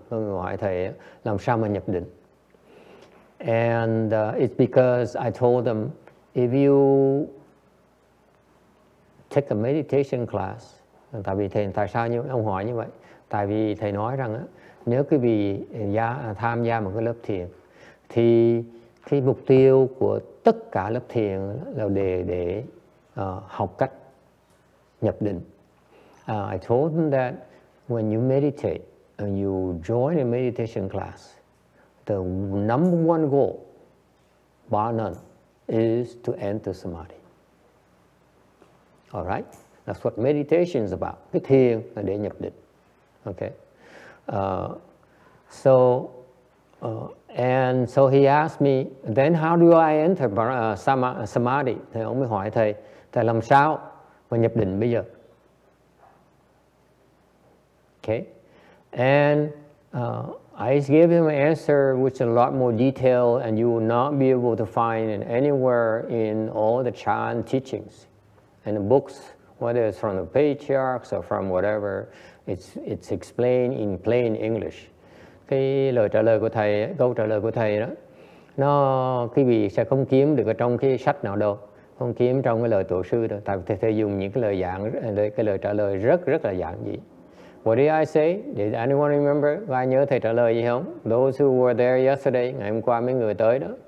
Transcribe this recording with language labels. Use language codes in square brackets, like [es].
[vi] Có người hỏi thầy làm sao mà nhập định. [en] And it's because I told them, if you take a meditation class, [vi] tại vì thầy tại sao như ông hỏi như vậy? Tại vì thầy nói rằng nếu quý vị tham gia một cái lớp thiền, thì cái mục tiêu của tất cả lớp thiền là để học cách nhập định. [en] I told them that when you meditate and you join a meditation class, the number one goal, bar none, is to enter samadhi. All right? That's what meditation is about. [vi] Cái thiền là để nhập định. Okay? [en] So he asked me, then how do I enter samadhi? [vi] Thì ông mới hỏi thầy, thầy làm sao mà nhập định bây giờ? [en] Okay, and I gave him an answer which is a lot more detailed, and you will not be able to find it anywhere in all the Chan teachings and the books, whether it's from the patriarchs or from whatever. It's explained in plain English. [vi] Cái lời trả lời của thầy, câu trả lời của thầy đó, nó quý vị sẽ không kiếm được ở trong cái sách nào đâu, không kiếm trong cái lời tổ sư đâu. Tại vì thầy dùng những cái lời giảng, cái lời trả lời rất rất là giản dị. [en] What did I say? Did anyone remember? [vi] Có ai nhớ thầy trả lời gì không? [en] Those who were there yesterday, [vi] ngày hôm qua mấy người tới đó.